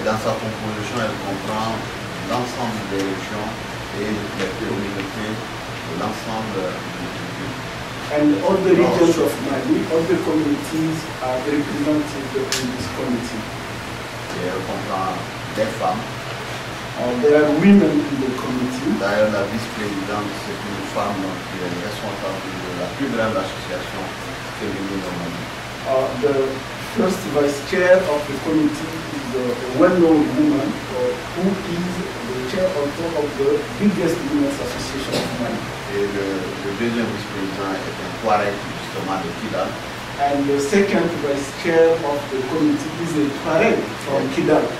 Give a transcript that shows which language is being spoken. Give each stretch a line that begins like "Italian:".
French: Et dans sa composition, elle comprend l'ensemble des régions et les communautés, l'ensemble du pays.
English: And all the regions of Mali, all the communities are represented in this committee.
French: Et elle comprend des femmes.
English: There are women in the committee.
French: D'ailleurs, la vice-présidente, c'est une femme qui est responsable de la plus grande association féminine au Mali.
English: The first vice chair of the committee is a well-known woman who is the chair also of the biggest women's association of Mali.
French: Et le deuxième vice-président est un Touareg, justement, de Kidal.
English: And the second vice chair of the committee is a Touareg from Kidal.